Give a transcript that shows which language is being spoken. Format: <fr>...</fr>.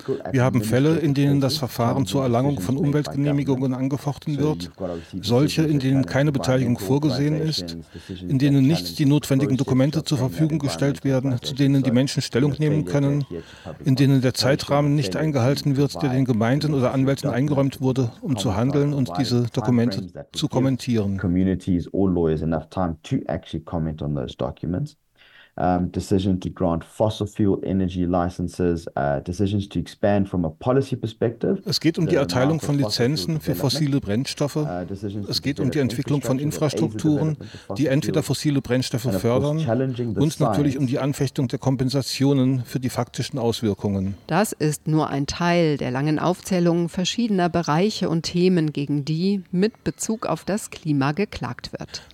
<de>Wir haben Fälle, in denen das Verfahren zur Erlangung von Umweltgenehmigungen angefochten wird, solche, in denen keine Beteiligung vorgesehen ist, in denen nicht die notwendigen Dokumente zur Verfügung gestellt werden, zu denen die Menschen Stellung nehmen können, in denen der Zeitrahmen nicht eingehalten wird, der den Gemeinden oder Anwälten eingeräumt wurde, um zu handeln und diese Dokumente zu kommentieren.</de> <en>Or lawyers enough time to actually comment on those documents. Decision to grant fossil fuel energy licenses, decisions to expand from a policy perspective.</en> <de>Es geht um die Erteilung von Lizenzen für fossile Brennstoffe. Es geht um die Entwicklung von Infrastrukturen, die entweder fossile Brennstoffe fördern, und natürlich um die Anfechtung der Kompensationen für die faktischen Auswirkungen. Das ist nur ein Teil der langen Aufzählung verschiedener Bereiche und Themen, gegen die mit Bezug auf das Klima geklagt wird.</de>